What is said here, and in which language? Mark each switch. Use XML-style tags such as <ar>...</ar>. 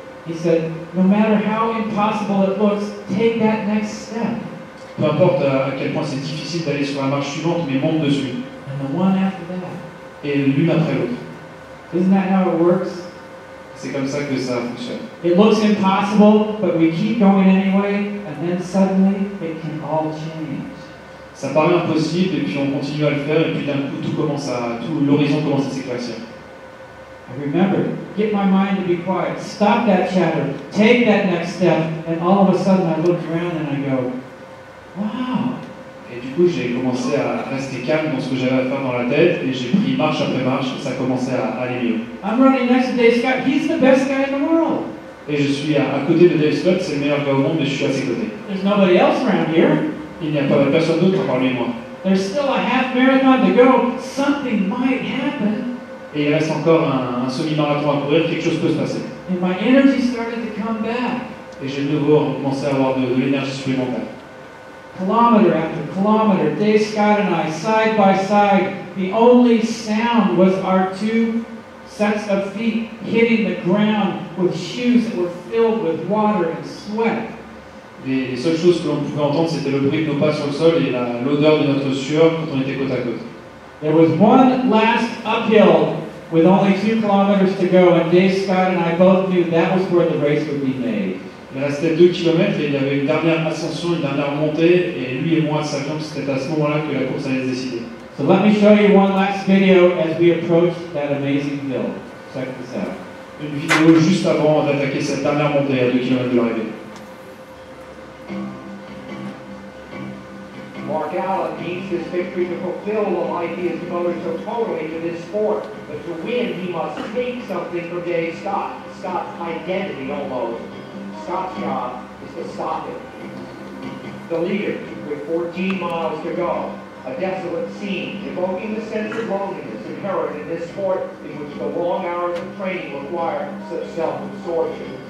<en>He said, no matter how impossible it looks, take that next step.</en> <fr>Peu importe à quel point c'est difficile d'aller sur la marche suivante, mais monte dessus.</fr> <en>And the one after that.</en> <fr>Et l'une après l'autre.</fr> <en>Isn't that how it works?</en> <fr>C'est comme ça que ça fonctionne.</fr> <en>It looks impossible, but we keep going anyway, and then suddenly it can all change.</en> <fr>Ça paraît impossible, et puis on continue à le faire, et puis d'un coup l'horizon commence à s'éclaircir.</fr> <en>I remember, get my mind to be quiet, stop that chatter, take that next step, and all of a sudden I looked around and I go, wow.</en> <fr>Et du coup j'ai commencé à rester calme dans ce que j'avais à faire dans la tête, et j'ai pris marche après marche, et ça commençait à aller mieux.</fr> <en>I'm running next to Dave Scott, he's the best guy in the world.</en> <fr>Et je suis à côté de Dave Scott, c'est le meilleur gars au monde, mais je suis à ses côtés.</fr> <en>There's nobody else around here.</en> <fr>Il n'y a pas personne d'autre à part lui et moi.</fr> <en>There's still a half marathon to go. Something might happen.</en> <fr>et il reste encore un semi-marathon à courir, quelque chose peut se passer.</fr> <en>And my energy started to come back.</en> <fr>Et j'ai de nouveau commencé à avoir de l'énergie supplémentaire.</fr> <en>Kilometer after kilometer, Dave Scott and I, side by side, the only sound was our two sets of feet hitting the ground with shoes that were filled with water and sweat.</en> <fr>Les seules choses que l'on pouvait entendre, c'était le bruit de nos pas sur le sol et l'odeur de notre sueur quand on était côte à côte.</fr> <en>There was one last uphill with only 2 kilometers to go, and Dave Scott and I both knew that was where the race would be made.</en> <fr>Il restait 2 kilomètres et il y avait une dernière ascension, une dernière montée, et lui et moi savions que c'était à ce moment-là que la course allait se décider.</fr> <en>So let me show you one last video as we approach that amazing hill. Check this out.</en> <fr>Une vidéo juste avant d'attaquer cette dernière montée à 2 kilomètres de l'arrivée.</fr> <en>Mark Allen needs his victory to fulfill the life he has devoted so totally to this sport. But to win, he must take something from Dave Scott. Scott's identity, almost. Scott's job is to stop it. The leader, with 14 miles to go, a desolate scene, evoking the sense of loneliness inherent in this sport in which the long hours of training require such self-absorption.</en>